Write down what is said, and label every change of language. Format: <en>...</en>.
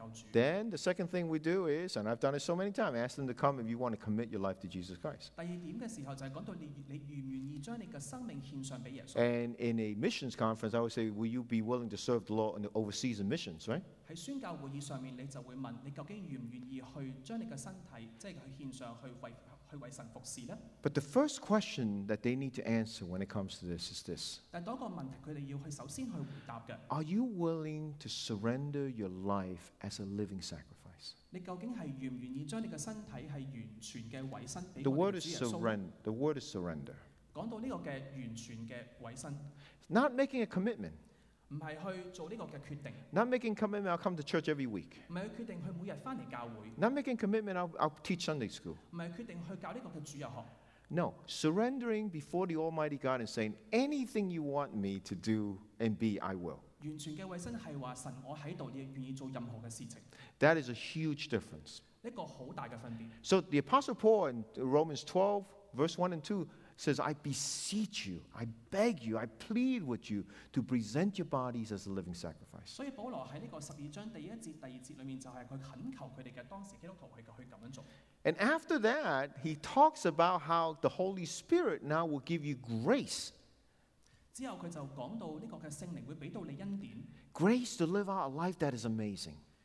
<en>Then, the second thing we do is, and I've done it so many times, ask them to come if you want to commit your life to Jesus Christ. And in a missions conference, I would say, will you be willing to serve the Lord in the overseas missions, right?</en> <yue>在宣教會議上面，你就會問你究竟願唔願意去將你嘅身體，即係去獻上去為神服侍呢？</yue> <en>But the first question that they need to answer when it comes to this is this.</en> <yue>但第一個問題，佢哋要去首先去回答嘅。</yue> <en>Are you willing to surrender your life as a living sacrifice?</en> <yue>你究竟係願唔願意將你嘅身體係完全嘅委身俾我哋</yue> <en>？The word is surrender. The word is surrender.</en> <yue>講到呢個嘅完全嘅委身。</yue> <en>Not making a commitment.</en> <yue>唔係去做呢個嘅決定。</yue> <en>Not making commitment, I'll come to church every week.</en> <yue>唔係去決定去每日翻嚟教會。</yue> <en>Not making commitment, I'll teach Sunday school.</en> <yue>唔係決定去教呢個嘅主日學。</yue> <en>No, surrendering before the Almighty God and saying anything you want me to do and be, I will.</en> <yue>完全嘅委身係話神，我喺度，你願意做任何嘅事情。</yue> <en>That is a huge difference.</en> <yue>一個好大嘅分別。</yue> <en>So the Apostle Paul in Romans 12, verse 1 and 2. Says, I beseech you, I beg you, I plead with you to present your bodies as a living sacrifice.</en> <yue>所以保罗喺呢个十二章第一节、第二节里面就系佢恳求佢哋嘅当时基督徒系去咁样做。</yue> <en>And after that, he talks about how the Holy Spirit now will give you grace.</en> <yue>之后佢就讲到呢个嘅圣灵会俾到你恩典。</yue> <en>Grace to live out a life that is amazing.</en>